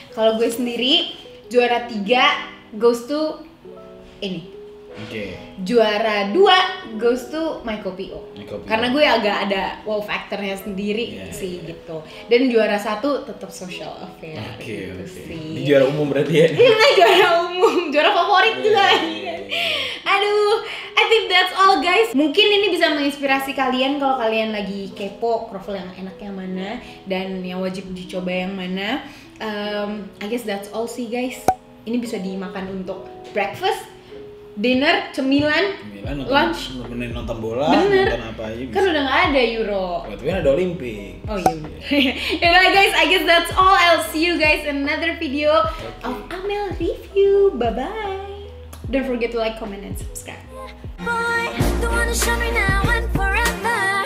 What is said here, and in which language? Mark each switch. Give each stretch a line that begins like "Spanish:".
Indonesian: Kalau gue sendiri juara 3 goes to ini. Oke. Okay. Juara 2 goes to my kopi O. Karena gue agak ada wow factor-nya sendiri gitu. Dan juara 1 tetap Social Affairs. Oke. Okay, gitu okay. Ini juara umum berarti ya. Ini juara umum, juara favorit juga.
English: Aduh, I think that's all guys.
Indonesian: Mungkin ini bisa menginspirasi kalian kalau kalian lagi kepo croffle yang enak yang mana dan yang wajib dicoba yang mana.
English: I guess that's all sih guys.
Indonesian: Ini bisa dimakan untuk breakfast, dinner, cemilan nonton, lunch, menemani nonton bola, bener. Nonton apa aja. Kan udah enggak ada Euro. Tapi ada Olimpik. Oh iya. Yeah.
English: Anyway guys, I guess that's all. I'll see you guys in another video of Amel Review. Bye bye. Don't forget to like, comment and subscribe. Boy, don't wanna show me now and forever.